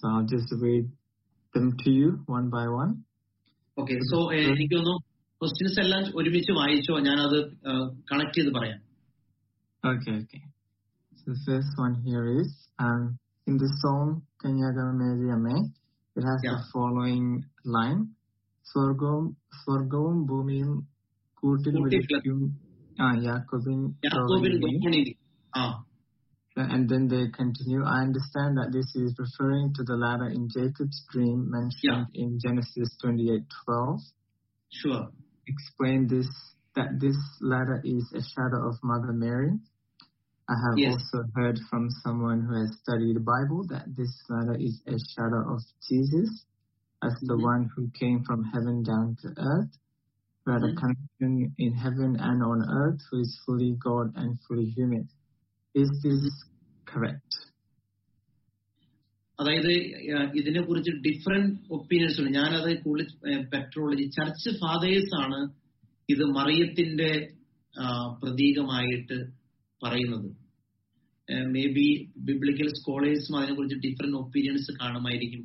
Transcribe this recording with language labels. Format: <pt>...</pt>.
<en>So I'll just read them to you one by one.</en> <ml>Okay, so എനിക്ക് ഒന്ന് questions എല്ലാം ഒരുമിച്ച് വായിച്ചോ, ഞാൻ അത് കണക്ട് ചെയ്ത് പറയാം.</ml> <en>Okay, okay. So the first one here is, in the song Kanyagama Meriame, it has the following line, Swargavum Bhoomiyum and then they continue. I understand that this is referring to the ladder in Jacob's dream mentioned in Genesis 28:12. Sure. Explain this, that this ladder is a shadow of Mother Mary. I have also heard from someone who has studied the Bible that this ladder is a shadow of Jesus as the one who came from heaven down to earth. We had a connection in heaven and on earth who is fully God and fully human. Is this correct?</en> <ml>അതായത് ഇതിനെ കുറിച്ച് different opinions ഉണ്ട്. ഞാനത് കൂടുതൽ petrology church fathers ആണ് ഇത് മറിയത്തിന്റെ പ്രതീകമായിട്ട് പറയുന്നത്. മേ ബി ബിബ്ലിക്കൽ സ്കോളേഴ്സും അതിനെ കുറിച്ച് ഡിഫറെന്റ് ഒപ്പീനിയൻസ് കാണുമായിരിക്കും.</ml>